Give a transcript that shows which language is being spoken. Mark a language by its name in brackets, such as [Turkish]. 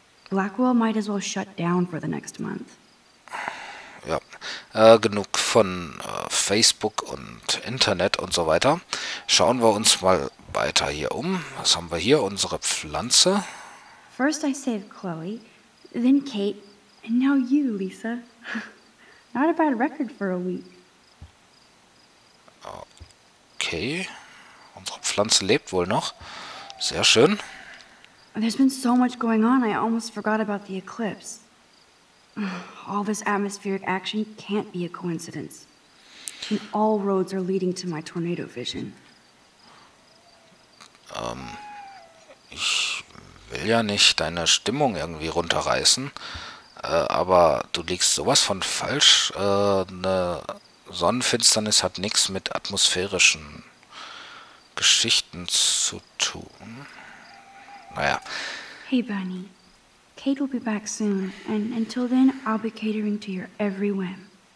[English] Blackwell might as well shut down for the next month. [German] Ja, genug von Facebook und Internet und so weiter. Schauen wir uns mal weiter hier um. Was haben wir hier? Unsere Pflanze. [English] First I saved Chloe, then Kate, and now you, Lisa. Not a bad record for a week. [German] Okay, unsere Pflanze lebt wohl noch. Sehr schön. [English] There's been so much going on, I almost forgot about the eclipse. All this atmospheric action can't be a coincidence. And all roads are leading to my tornado vision. [German] Ich will ja nicht deine Stimmung irgendwie runterreißen, aber du liegst sowas von falsch. Eine Sonnenfinsternis hat nichts mit atmosphärischen Geschichten zu tun. Naja. [English] Hey, Bunny. Kate will be back soon, and until then, I'll be catering to your every whim.